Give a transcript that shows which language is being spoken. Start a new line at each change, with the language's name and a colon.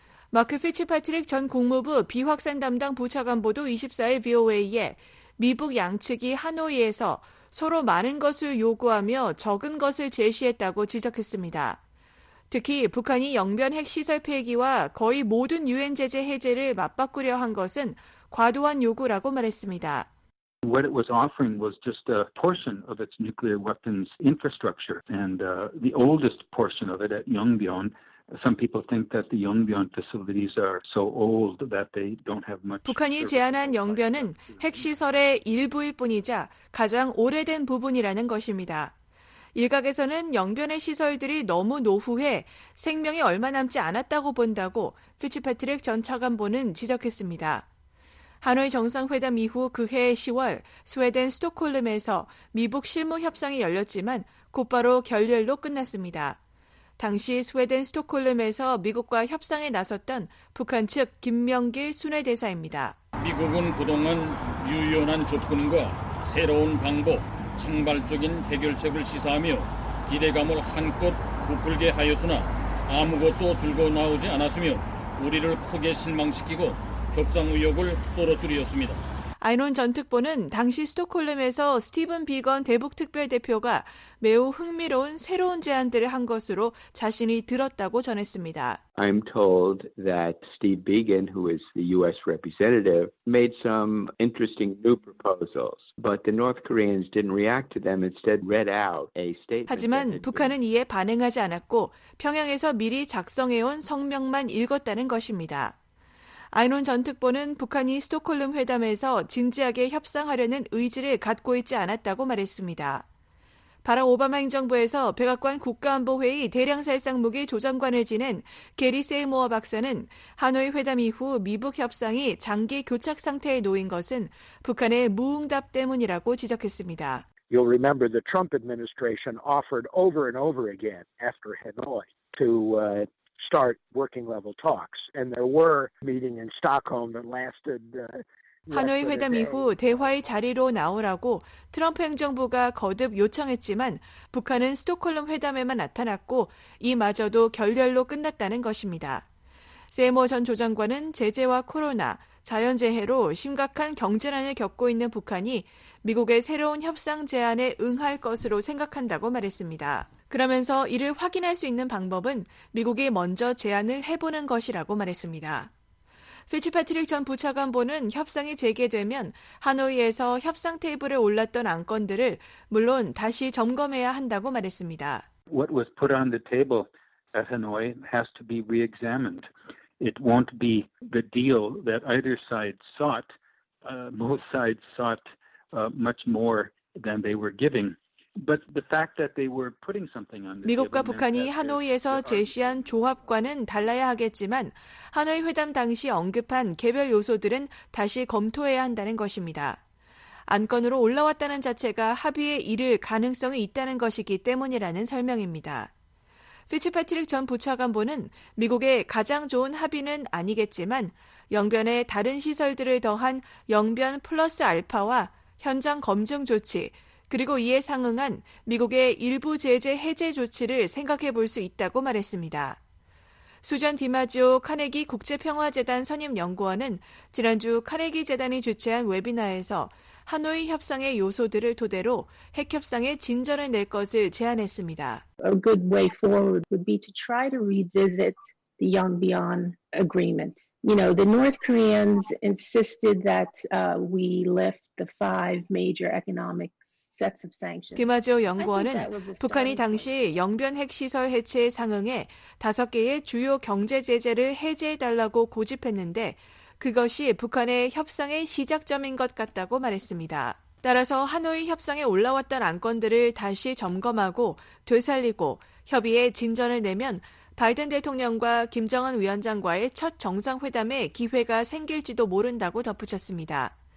Korean: 마크 피츠파트릭 전 국무부 비확산 담당 부차관보도 24일 VOA에 미북 양측이 하노이에서 서로 많은 것을 요구하며 적은 것을 제시했다고 지적했습니다. 특히 북한이 영변 핵시설 폐기와 거의 모든 유엔 제재 해제를 맞바꾸려 한 것은 과도한 요구라고 말했습니다.
English: What it was offering was just a portion of its nuclear weapons infrastructure and the oldest portion of it at Yongbyon. Some people think that the Yongbyon facilities are so old that they don't have much.
Korean: 북한이 제안한 영변은 핵시설의 일부일 뿐이자 가장 오래된 부분이라는 것입니다. 일각에서는 영변의 시설들이 너무 노후해 생명이 얼마 남지 않았다고 본다고 피츠패트릭 전 차관보는 지적했습니다. 하노이 정상회담 이후 그해 10월 스웨덴 스톡홀름에서 미북 실무협상이 열렸지만 곧바로 결렬로 끝났습니다. 당시 스웨덴 스톡홀름에서 미국과 협상에 나섰던 북한 측 김명길 순회대사입니다. 미국은 그동안 유연한 접근과 새로운 방법, 창발적인 해결책을 시사하며 기대감을 한껏 부풀게 하였으나 아무것도 들고 나오지 않았으며 우리를 크게 실망시키고 협상 의욕을 떨어뜨렸습니다. 아이논 전 특보는 당시 스톡홀름에서 스티븐 비건 대북특별대표가 매우 흥미로운 새로운 제안들을 한 것으로 자신이 들었다고 전했습니다.
English: I'm told that Steve Biegun, who is the U.S. representative, made some interesting new proposals, but the North Koreans didn't react to them. Instead, read out a statement.
Korean: 하지만 북한은 이에 반응하지 않았고 평양에서 미리 작성해온 성명만 읽었다는 것입니다. 아이논 전 특보는 북한이 스톡홀름 회담에서 진지하게 협상하려는 의지를 갖고 있지 않았다고 말했습니다. 바락 오바마 행정부에서 백악관 국가안보회의 대량살상무기 조정관을 지낸 게리 세이모어 박사는 하노이 회담 이후 미북 협상이 장기 교착 상태에 놓인 것은 북한의 무응답 때문이라고 지적했습니다.
English: You'll remember the Trump administration offered over and over again after Hanoi to start working level talks and there were meeting in Stockholm that lasted
Korean: 하노이 회담 이후 대화의 자리로 나오라고 트럼프 행정부가 거듭 요청했지만 북한은 스톡홀름 회담에만 나타났고 이마저도 결렬로 끝났다는 것입니다. 세모 전 조장관은 제재와 코로나, 자연재해로 심각한 경제난을 겪고 있는 북한이 미국의 새로운 협상 제안에 응할 것으로 생각한다고 말했습니다. 그러면서 이를 확인할 수 있는 방법은 미국이 먼저 제안을 해보는 것이라고 말했습니다. 피츠패트릭 전 부차관보는 협상이 재개되면 하노이에서 협상 테이블에 올랐던 안건들을 물론 다시 점검해야 한다고 말했습니다.
English: What was put on the table at Hanoi has to be re-examined. It won't be the deal that either side sought. Both sides sought much more than they were giving. But the fact that they were putting something on the table.
Korean: 미국과 북한이 하노이에서 제시한 조합과는 달라야 하겠지만 하노이 회담 당시 언급한 개별 요소들은 다시 검토해야 한다는 것입니다. 안건으로 올라왔다는 자체가 합의에 이를 가능성이 있다는 것이기 때문이라는 설명입니다. 피츠패트릭 전 부차관보는 미국의 가장 좋은 합의는 아니겠지만 영변에 다른 시설들을 더한 영변 플러스 알파와 현장 검증 조치 그리고 이에 상응한 미국의 일부 제재 해제 조치를 생각해 볼 수 있다고 말했습니다. 수잔 디마지오 카네기 국제평화재단 선임연구원은 지난주 카네기 재단이 주최한 웨비나에서 하노이 협상의 요소들을 토대로 핵 협상의 진전을 낼 것을 제안했습니다.
English: A good way forward would be to try to revisit the Yongbyon agreement. You know, the North Koreans insisted that we lift the five major economic
Korean: 디마지오 연구원은 북한이 당시 영변 핵시설 해체에 상응해 5개의 주요 경제 제재를 해제해달라고 고집했는데 그것이 북한의 협상의 시작점인 것 같다고 말했습니다. 따라서 하노이 협상에 올라왔던 안건들을 다시 점검하고 되살리고 협의에 진전을 내면 바이든 대통령과 김정은 위원장과의 첫 정상회담에 기회가 생길지도 모른다고 덧붙였습니다.